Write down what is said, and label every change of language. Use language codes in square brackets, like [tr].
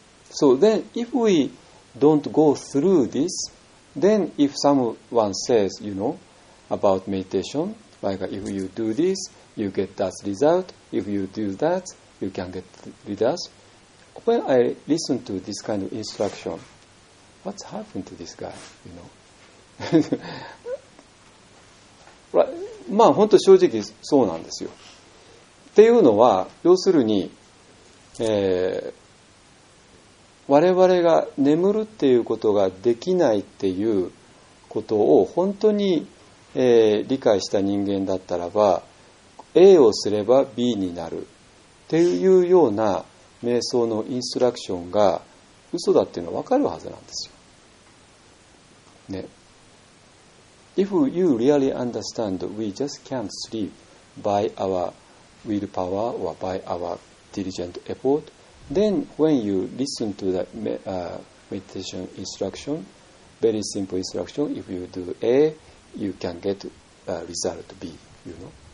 [en] So then, if we don't go through this, then if someone says, you know, about meditation, like if you do this. You get that result. If you do that, you can get results. When I listen to this kind of instruction, what's happened to this guy? You know? [ja] まあ本当正直そうなんですよ。っていうのは要するに、我々が眠るっていうことができないっていうことを本当に、理解した人間だったらば。 A をすれば B になるっていうような瞑想のインストラクションが嘘だっていうのは分かるはずなんですよ。ね。 [en] If you really understand we just can't sleep by our willpower or by our diligent effort, then when you listen to the meditation instruction, very simple instruction, if you do A, you can get result B, you know?